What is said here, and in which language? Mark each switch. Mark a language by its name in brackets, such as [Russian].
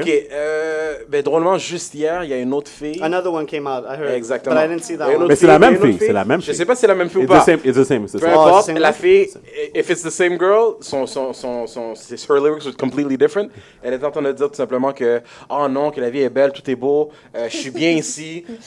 [French] OK, ben, drôlement, juste hier, il y a une autre fille. [English] Another one came out, I heard. [French] Exactement. [English] But I didn't see that one. [French] Mais c'est la même fille, c'est la même fille. Je sais pas si c'est la même fille ou pas. [English] It's the same. [French] Peu importe, la fille, [English] if it's the same girl, son her lyrics were completely different. [French] Elle est en train de dire tout simplement que, oh non, que la vie est belle, tout est beau, je suis bien ici.